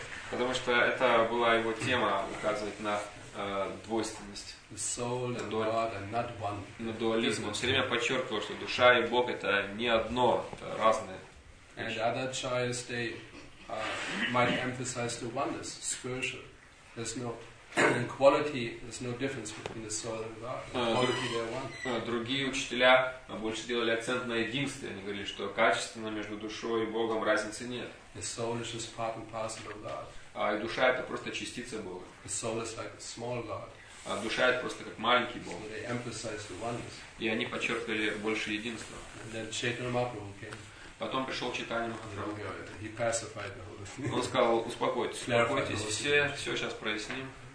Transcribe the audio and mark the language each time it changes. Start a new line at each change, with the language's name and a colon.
Russian: Потому что это была его тема, указывать на двойственность. На дуализм. Он все время подчеркивал, что душа и Бог это не одно, это разные.
English: And other chayas they might emphasize the oneness, spiritual. There's no in quality, there's no difference between the soul and God. Quality, they're one.
Russian: Другие учителя больше делали акцент на единстве. Они говорили, что качественно между душой и Богом разницы нет.
English: The soul is just part and parcel of God.
Russian: А и душа это просто частица Бога.
English: The soul is like a small God.
Russian: А душа это просто как маленький Бог.
English: So they emphasize the oneness.
Russian: И они подчеркивали больше единства.
English: And then Chaitanya Mahaprabhu came.
Russian: Потом пришел Чайтанья Махапрабху. Он сказал: успокойтесь, все сейчас проясним.